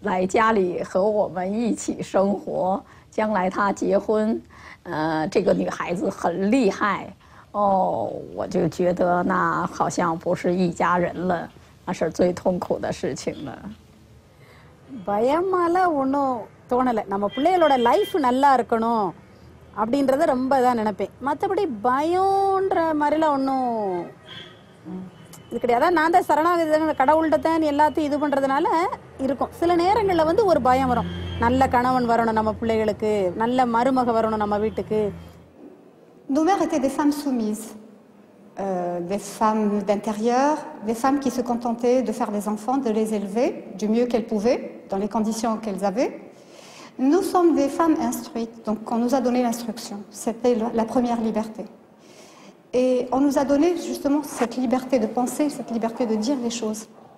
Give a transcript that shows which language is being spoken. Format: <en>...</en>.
<zh>我最怕的就是我的儿子找一个我不喜欢的女孩子来家里和我们一起生活。将来他结婚，这个女孩子很厉害，哦，我就觉得那好像不是一家人了，那是最痛苦的事情了。</zh> <ta>பயமால ஒண்ணும் தோணல நம்ம பிள்ளையளோட லைஃப் நல்லா இருக்கணும் அப்படின்றத ரொம்ப தான் நினைப்பேன் மத்தபடி பயம்ன்ற மாதிரில ஒண்ணும் இதுக்கடையாத நான் தான் சரணாகதியான கடவுள்கிட்ட தான் எல்லாத்தையும் இது பண்றதுனால இருக்கும் சில நேரங்களில் வந்து ஒரு பயம் வரும் நல்ல கணவன் வரணும் நம்ம பிள்ளைகளுக்கு நல்ல மருமக வரணும் நம்ம வீட்டுக்கு</ta> <fr>Nos mères étaient des femmes soumises, des femmes d'intérieur, des femmes qui se contentaient de faire des enfants, de les élever du mieux qu'elles pouvaient, dans les conditions qu'elles avaient. Nous sommes des femmes instruites, donc on nous a donné l'instruction. C'était la première liberté. Et on nous a donné justement cette liberté de penser, cette liberté de dire les choses.</fr>